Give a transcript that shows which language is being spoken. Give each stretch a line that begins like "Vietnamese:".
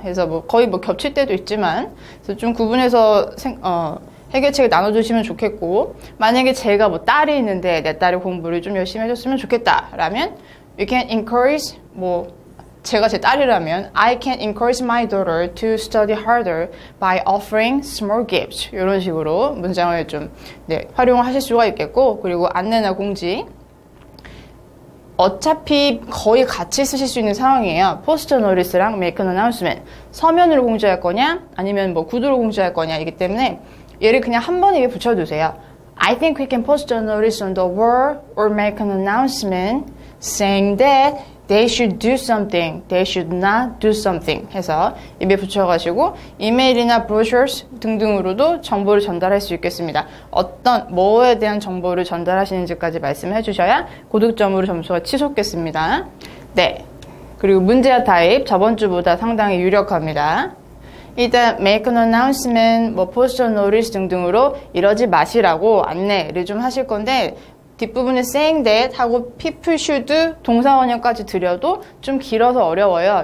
Korean: 그래서 뭐 거의 뭐 겹칠 때도 있지만 그래서 좀 구분해서 해결책을 나눠주시면 좋겠고 만약에 제가 뭐 딸이 있는데 내 딸이 공부를 좀 열심히 해줬으면 좋겠다 라면
English: we can encourage
Korean: 뭐 제가 제 딸이라면
English: I can encourage my daughter to study harder by offering small gifts
Korean: 이런 식으로 문장을 좀 네, 활용하실 수가 있겠고 그리고 안내나 공지 어차피 거의 같이 쓰실 수 있는 상황이에요. 포스터 노리스랑
English: make an announcement
Korean: 서면으로 공지할 거냐 아니면 뭐 구두로 공지할 거냐 이기 때문에 얘를 그냥 한 번에 붙여주세요.
English: I think we can post a notice on the wall or make an announcement saying that they should do something, they should not do something
Korean: 해서 입에 붙여가지고 이메일이나 brochures 등등으로도 정보를 전달할 수 있겠습니다. 어떤 뭐에 대한 정보를 전달하시는지까지 말씀해 주셔야 고득점으로 점수가 치솟겠습니다. 네, 그리고 문제와 타입 저번 주보다 상당히 유력합니다. 일단
English: make an announcement,
Korean: 뭐
English: post a notice
Korean: 등등으로 이러지 마시라고 안내를 좀 하실 건데 뒷부분에 saying that 하고 people should 동사 원형까지 드려도 좀 길어서 어려워요.